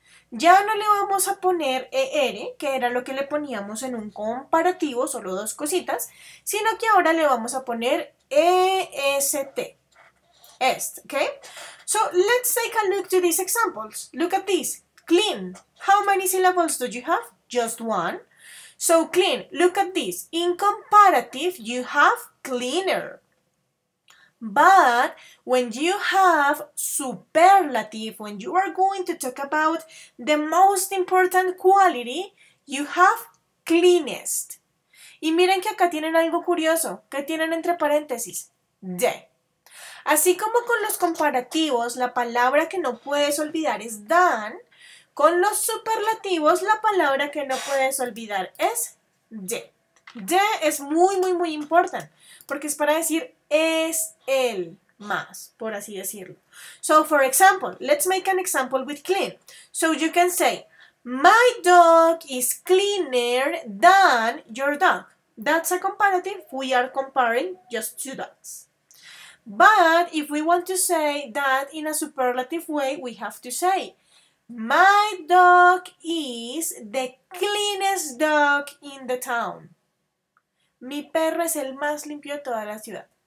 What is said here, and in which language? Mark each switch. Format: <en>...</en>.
<es>Ya no le vamos a poner ER, que era lo que le poníamos en un comparativo, solo dos cositas, sino que ahora le vamos a poner EST. EST, ¿ok?</es> <en>So, let's take a look to these examples. Look at this. Clean. How many syllables do you have? Just one. So, clean. Look at this. In comparative, you have cleaner. But when you have superlative, when you are going to talk about the most important quality, you have cleanest.</en> <es>Y miren que acá tienen algo curioso, que tienen entre paréntesis, de. Así como con los comparativos, la palabra que no puedes olvidar es than, con los superlativos, la palabra que no puedes olvidar es de. De es muy, muy, muy importante, porque es para decir es el más, por así decirlo.</es> <en>So, for example, let's make an example with clean. So, you can say, my dog is cleaner than your dog. That's a comparative. We are comparing just two dogs. But if we want to say that in a superlative way, we have to say, my dog is the cleanest dog in the town.</en> <es>Mi perro es el más limpio de toda la ciudad.</es>